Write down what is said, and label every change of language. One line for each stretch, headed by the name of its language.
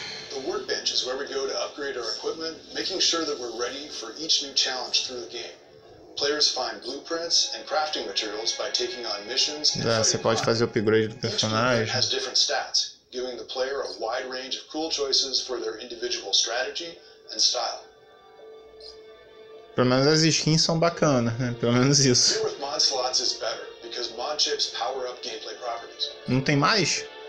English: The workbench is where we go to upgrade our equipment, making sure that we're ready for each new challenge through the game. Players find blueprints and crafting materials by taking on missions.
Portuguese: Ah, você pode fazer o upgrade do personagem.
English: Has different stats, giving the player a wide range of cool choices for their individual strategy and style.
Portuguese: Pelo menos as skins são bacanas, né? Pelo menos isso.
English: With mod slots is better because mod chips power up gameplay properties.
Portuguese: Não tem mais?